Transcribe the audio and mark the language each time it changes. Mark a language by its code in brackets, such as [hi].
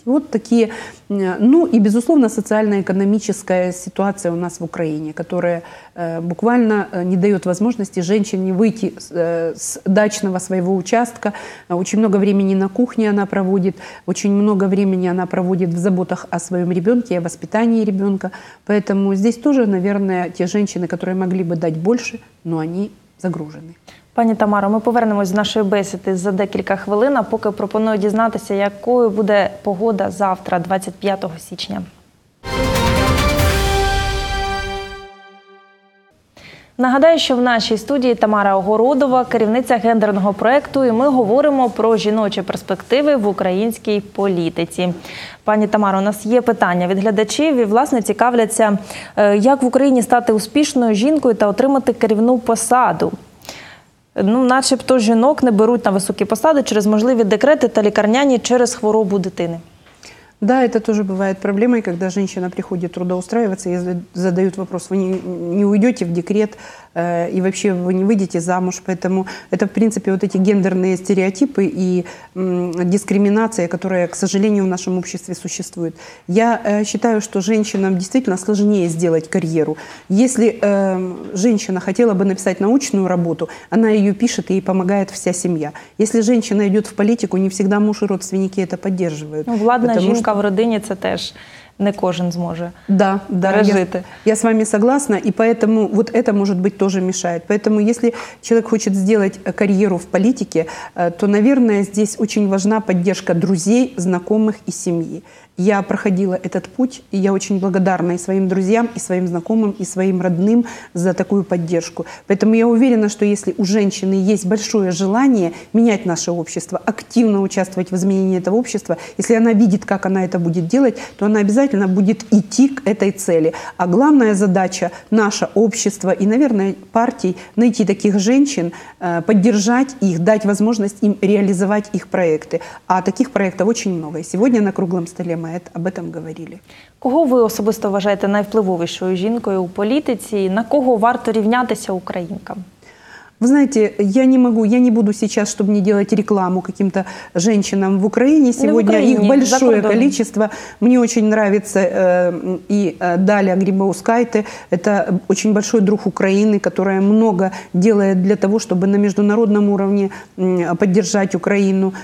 [ru] Вот такие, ну и, безусловно, социально-экономическая ситуация у нас в Украине, которая буквально не дает возможности женщине выйти с дачного своего участка. Очень много времени на кухне она проводит, очень много времени она проводит в заботах о своем ребенке и о воспитании ребенка. Поэтому здесь тоже, наверное, те женщины, которые могли бы дать больше, но они загружены. [uk] Пані Тамаро, ми повернемось до нашої бесіди за декілька хвилин, а поки пропоную дізнатися, якою буде погода завтра, 25 січня. Нагадаю, що в нашій студії Тамара Огородова, керівниця гендерного проєкту, і ми говоримо про жіночі перспективи в українській політиці. Пані Тамаро, у нас є питання від глядачів, і, власне, цікавляться, як в Україні стати успішною жінкою та отримати керівну посаду. Ну, начебто жінок не беруть на високі посади через можливі декрети та лікарняні через хворобу дитини. [ru] Да, это тоже бывает проблемой, когда женщина приходит трудоустраиваться и задают вопрос, вы не уйдете в декрет и вообще вы не выйдете замуж. Поэтому это, в принципе, вот эти гендерные стереотипы и дискриминация, которая, к сожалению, в нашем обществе существует. Я считаю, что женщинам действительно сложнее сделать карьеру. Если женщина хотела бы написать научную работу, она ее пишет, и ей помогает вся семья. Если женщина идет в политику, не всегда муж и родственники это поддерживают. [uk] Ну, ладно, жінка в родині – це теж не кожен зможе пережити. [ru] Я с вами согласна, и поэтому вот это, может быть, тоже мешает. Поэтому если человек хочет сделать карьеру в политике, то, наверное, здесь очень важна поддержка друзей, знакомых и семьи. Я проходила этот путь, и я очень благодарна и своим друзьям, и своим знакомым, и своим родным за такую поддержку. Поэтому я уверена, что если у женщины есть большое желание менять наше общество, активно участвовать в изменении этого общества, если она видит, как она это будет делать, то она обязательно будет идти к этой цели. А главная задача наше общество и, наверное, партий – найти таких женщин, поддержать их, дать возможность им реализовать их проекты. А таких проектов очень много. И сегодня на круглом столе ми об этом говорили. [uk] Кого ви особисто вважаєте найвпливовішою жінкою у політиці? На кого варто рівнятися українкам? [ru] Вы знаете, я не буду сейчас, чтобы не делать рекламу каким-то женщинам в Украине. Сегодня их большое количество. Мне очень нравится Даля Грибаускайте. Это очень большой друг Украины, которая много делает для того, чтобы на международном уровне поддержать Украину.